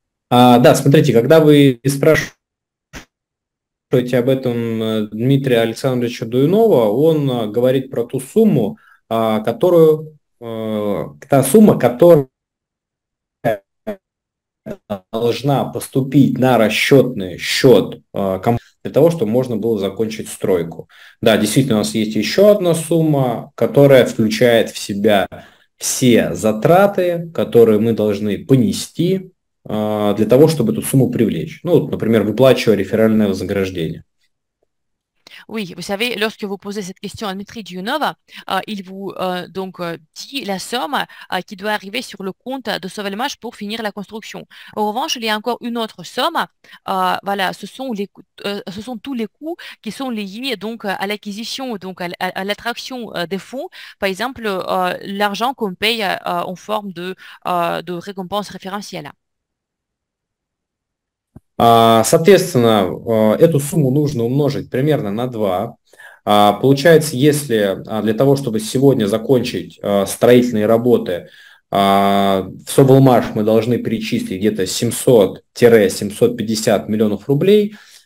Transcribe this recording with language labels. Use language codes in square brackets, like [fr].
[ru] Да, смотрите, когда вы спрашиваете об этом Дмитрия Александровича Дуйнова, он говорит про ту сумму, которую та сумма, которая должна поступить на расчетный счет для того, чтобы можно было закончить стройку. Да, действительно, у нас есть еще одна сумма, которая включает в себя все затраты, которые мы должны понести для того, чтобы эту сумму привлечь. Ну, например, выплачивая реферальное вознаграждение. [fr] Oui, vous savez, lorsque vous posez cette question à Dmitri Dionov, il vous donc dit la somme qui doit arriver sur le compte de SolMH pour finir la construction. En revanche, il y a encore une autre somme. Voilà, ce sont tous les coûts qui sont liés donc à l'acquisition, donc à l'attraction des fonds. Par exemple, l'argent qu'on paye en forme de récompense référentielle. [ru] Соответственно, эту сумму нужно умножить примерно на 2. Получается, если для того, чтобы сегодня закончить строительные работы, в SolMH мы должны перечислить где-то 700-750 миллионов рублей,